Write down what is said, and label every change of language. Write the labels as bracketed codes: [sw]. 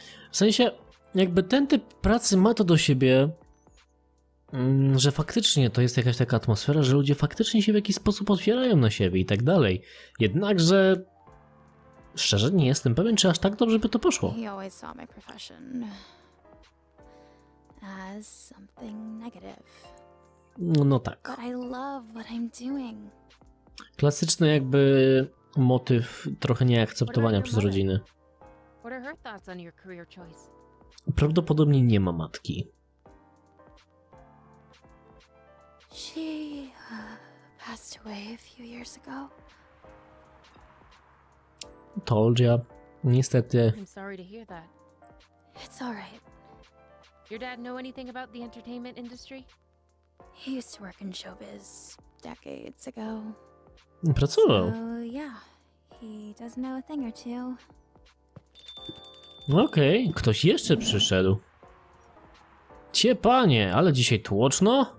[pl] W sensie, jakby ten typ pracy ma to do siebie, że faktycznie to jest jakaś taka atmosfera, że ludzie faktycznie się w jakiś sposób otwierają na siebie i tak dalej. Jednakże, szczerze nie jestem pewien, czy aż tak dobrze by to poszło. [en] He always saw my profession as something negative. [pl] No tak. [en] But I love what I'm doing. [pl] Klasyczny jakby motyw trochę nieakceptowania przez rodziny. [en] What are her thoughts on your career choice? [pl] Prawdopodobnie nie ma matki. [en] She passed away a few years ago. Told ya. [pl] Niestety. [en] I'm sorry to hear that. It's all right. Your dad know anything about the entertainment industry? He used to work in showbiz decades ago. [pl] Pracował. [en] So, yeah. He does know a thing or two. [pl] Okej, okay, ktoś jeszcze przyszedł. Cie panie, ale dzisiaj tłoczno.